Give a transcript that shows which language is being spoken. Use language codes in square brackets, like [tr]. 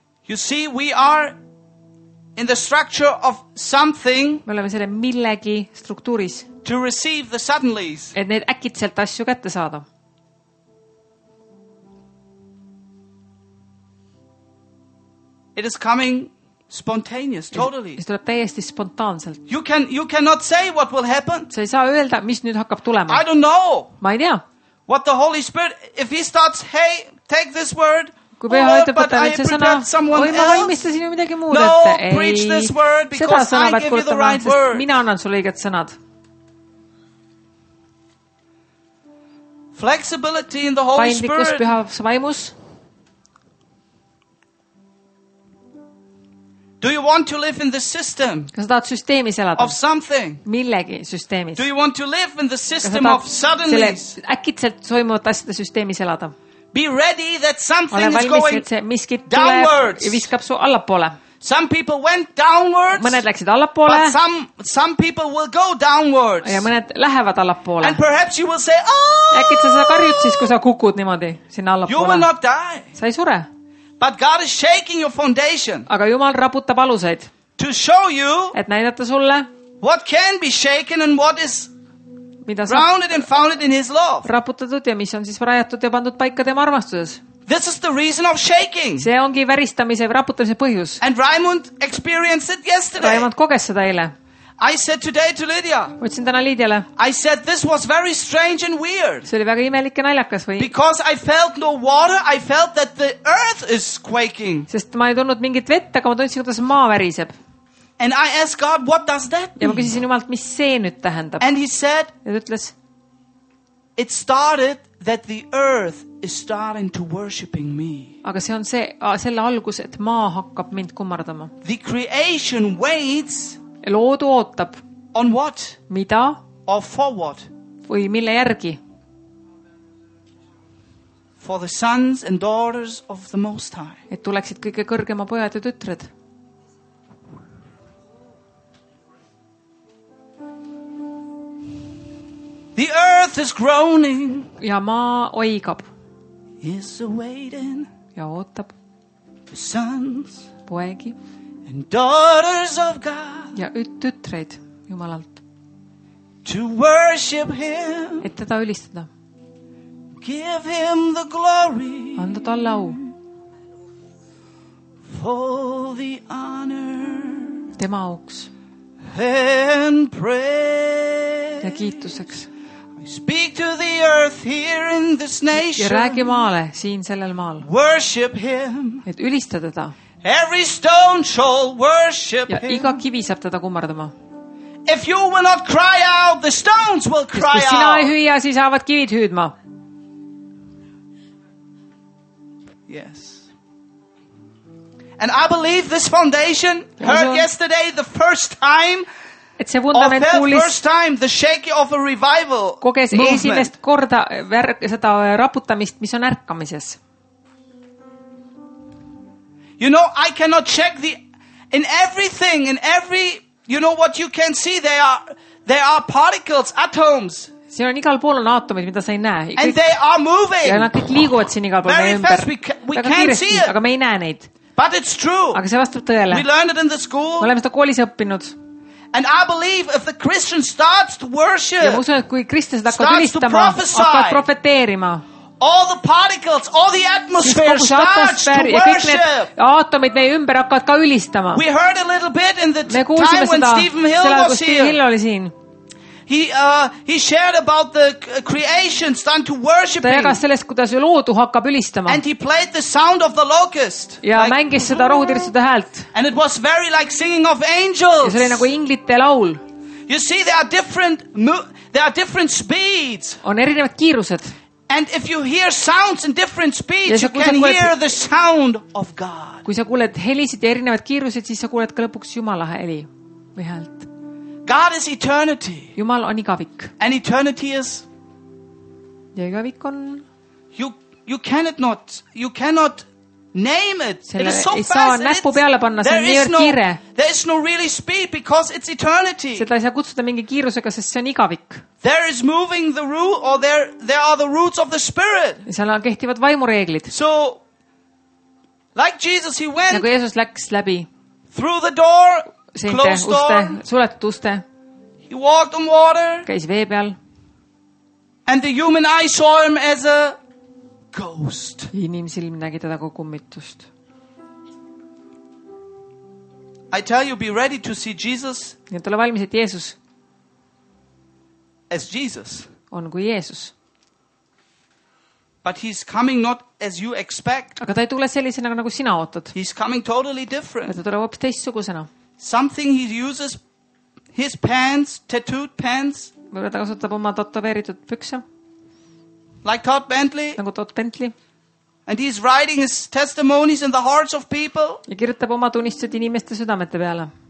[en] You see, we are in the structure of something. [et] Me oleme selle millegi struktuuris. [en] To receive the suddenlies. [et] Et need äkitselt asju kätte saada. [en] It is coming spontaneous, totally. [et] See tuleb täiesti spontaanselt. [en] You cannot say what will happen. [et] Sa ei saa öelda, mis nüüd hakkab tulema. [en] I don't know. [et] Ma ei tea. [en] What the Holy Spirit, if he starts, hey, take this word, [et] kui peha oh, ütleb, [en] but I prepared [et] sõna, [en] someone else. [et] Ma valmistasin ju midagi muud, no, ette. [en] No, preach this word, because [et] sõna, [en] I give you the right word. [et] Mina annan sulle õiged sõnad. [en] Flexibility in the Holy Spirit. [et] Paindlikus pühas vaimus. [en] Do you want to live in the system? [et] Kas sa tahad süsteemis elada? [en] Of something. [et] Millegi süsteemis. [en] Do you want to live in the system of suddenly? [et] Äkitselt toimuvat asjade süsteemis elada. [en] Be ready that something [et] valmis, [en] is going. [et] Et see miskit downwards. Tuleb ja viskab su allapoole. [en] Some people went downwards. [et] Mõned läksid allapoole. [en] But some people will go downwards. [et] Ja mõned lähevad allapoole. [en] And perhaps you will say, "Oh!" [et] Äkitselt sa karjud siis, kui sa kukud niimoodi sinna allapoole. [en] You will not die. [et] Sa ei sure. [en] But God is shaking your foundation. [et] Aga Jumal raputab aluseid. [en] To show you. [et] Et näidata sulle. [en] What can be shaken and what is grounded and founded in His love. [et] Raputatud ja mis on siis rajatud ja pandud paika tema armastuses. [en] This is the reason of shaking. [et] See ongi väristamise raputamise põhjus. [en] And Raimund experienced it yesterday. [et] Raimund koges seda eile. [en] I said today to Lydia. [et] Võtsin täna Lydiale. [en] I said this was very strange and weird. [et] See oli väga imelik ja naljakas või? [en] Because I felt no water, I felt that the earth is quaking. [et] Sest ma ei tundnud mingit vett, aga ma tundsin, kuidas maa väriseb. [en] And I asked God, what does that mean? [et] Ja ma küsisin Jumalt, mis see nüüd tähendab? [en] And he said, [et] ja ütles, [en] it started that the earth is starting to worshiping me. [et] Aga see on see, selle algus, et maa hakkab mind kummardama. [en] The creation waits. [et] Loodu ootab. [en] On what? [et] Mida? [en] Or for what? [et] Või mille järgi? [en] For the sons and daughters of the Most High. [et] Et tuleksid kõige kõrgema pojad ja tütred. [en] The earth is groaning. [et] Ja maa oigab. [en] Is awaiting. [et] Ja ootab. [en] The sons. [et] Poegi. [en] And daughters of God. [et] Ja tütreid Jumalalt. [en] To worship him. [et] Et teda ülistada. [en] Give him the glory. [et] Anda talle au. [en] For the honor. [et] Tema auks. [en] And praise. [et] Ja kiituseks. [en] Speak to the earth here in this nation. [et] Ja räägi maale siin sellel maal. [en] Worship him. [et] Et ülista teda. [en] Every stone shall worship him. [et] Ja iga kivi saab teda kummardama. [en] If you will not cry out, the stones will cry out. [et] Kui sina ei hüüa, siis saavad kivid hüüdma. [en] Yes. And I believe this foundation heard yesterday the first time. [et] Et see vundament kuulis [en] first time the shaking of a revival. [et] Koges esimest korda seda raputamist, mis on ärkamises. [en] You know, I cannot check the in everything in every, you know what you can see there are particles, atoms. [et] See on igal pool on aatomid, mida sa ei näe. [en] And they are moving. [et] Ja nad kõik liiguvad siin igal pool ümber. [en] Very fast we can't see it. [et] Aga me ei näe neid. [en] But it's true. [et] Aga see vastab tõele. [en] We learned it in the school. [et] Me oleme seda koolis õppinud. [en] And I believe if the Christian starts to worship. [et] Ja usun, et kui kristlased hakkavad ülistama, hakkavad profeteerima. [en] All the particles, all the atmosphere starts to worship. [et] Aatomid meie ümber hakkavad ka ülistama. [en] We heard a little bit in the time when Stephen Hill was here. He shared about the creation starting to worship. [et] Ta jagas sellest, kuidas loodu hakkab ülistama. [en] And he played the sound of the locust. [et] Ja like, mängis seda rohutirsude häält. [en] And it was very like singing of angels. [et] Ja see oli nagu inglite laul. [en] You see there are different speeds. [et] On erinevad kiirused. [en] And if you hear sounds in different speeds, you can hear the sound of God. [et] Kui sa kuuled helisid ja erinevad kiirused, siis sa kuuled ka lõpuks Jumala heli või häält. [en] God is eternity. [et] Jumal on igavik. [en] And eternity is. [et] Ja igavik on. [en] You cannot name it. [et] Selle [en] it is so fast. [et] Ei saa näppu peale panna, see on niivõrd kiire. [en] There is no really speed because it's eternity. [et] Seda ei saa kutsuda mingi kiirusega, sest see on igavik. [en] There is moving the rule or there are the roots of the spirit. [et] Seal on kehtivad vaimureeglid. [en] So like Jesus he went. [et] Nagu Jeesus läks läbi. [en] Through the door. [et] Seinte, uste, suletud uste. [en] He walked on water. [et] Käis vee peal. [en] And the human eye saw him as a ghost. [et] Inimsilm nägi teda kui kummitust. [en] I tell you, be ready to see Jesus. [et] Ja tule valmis, et Jeesus. [en] As Jesus. [et] On kui Jeesus. [en] But he's coming not as you expect. [et] Aga ta ei tule sellisena, nagu sina ootad. [en] He's coming totally different. [et] Ja ta tuleb hoopis teistsugusena. [en] Something he uses his pants, tattooed pants. [et] Võib-olla ta kasutab oma tätoveeritud pükse. [en] Like Todd Bentley. [et] Nagu Todd Bentley. [en] And he's writing his testimonies in the hearts of people. [et] Ja kirjutab oma tunnistused inimeste südamete peale.